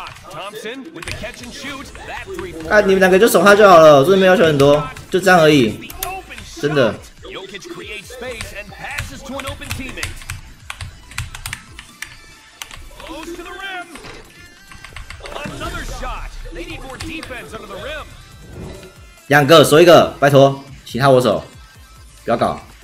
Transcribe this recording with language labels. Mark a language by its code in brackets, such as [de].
[en] Thompson with the catch and shoot. [zh] 啊，你们两个就守他就好了，真的没要求很多，就这样而已，真的。 [en] Jokic creates space and passes to an open teammate. Close to the rim. Another shot. They need more defense under the rim. [zh] 两个守一个，拜托，其他我守，不要搞。